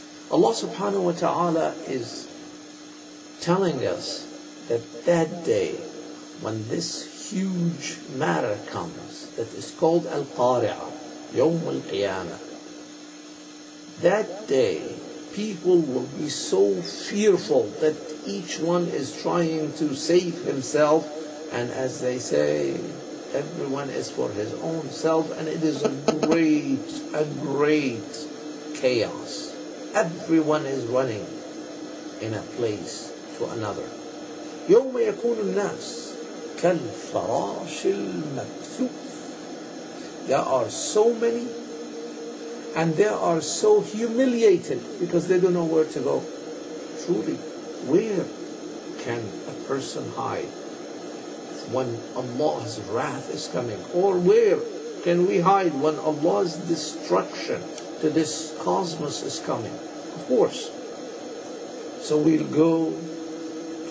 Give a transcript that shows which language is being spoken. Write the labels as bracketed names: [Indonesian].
[English] Allah subhanahu wa ta'ala is telling us that that day, when this huge matter comes, that is called Al-Qari'ah, Yawm al-Qiyamah, that day people will be so fearful that each one is trying to save himself, and as they say, everyone is for his own self, and it is a great chaos. Everyone is running in a place to another. [Arabic] يوم يكون الناس كالفراش المبثوث. [English] There are so many, and they are so humiliated because they don't know where to go. Truly, where can a person hide when Allah's wrath is coming? Or where can we hide when Allah's destruction to this cosmos is coming? Of course. So we'll go to